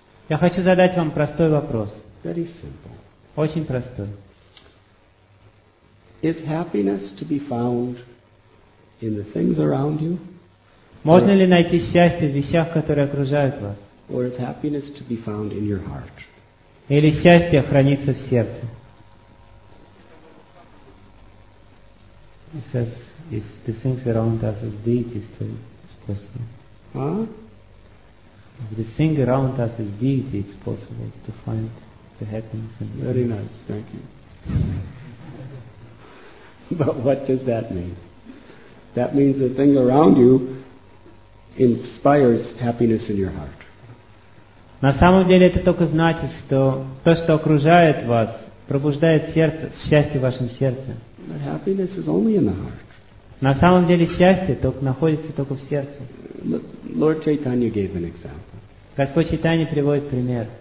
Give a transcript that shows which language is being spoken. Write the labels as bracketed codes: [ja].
[ru] Я хочу задать вам простой вопрос. [en] Very simple. [ru] Очень простой. [en] Is happiness to be found in the things around you? [ru] Можно ли найти счастье в вещах, которые окружают вас? [en] Or is happiness to be found in your heart? [ru] Или счастье хранится в сердце? [en] He says, if the things around us is deities, it's possible. Huh? If the thing around us is deity, it's possible to find. The happiness and the very nice, thank you. But what does that mean? That means the thing around you inspires happiness in your heart. [ru] На самом деле это только значит, что то, что окружает вас, пробуждает сердце, счастье в вашем сердце. [en] But happiness is only in the heart. [ru] На самом деле счастье только находится только в сердце. [en] Lord Chaitanya gave an example. [ru] Господь Чайтанья приводит пример.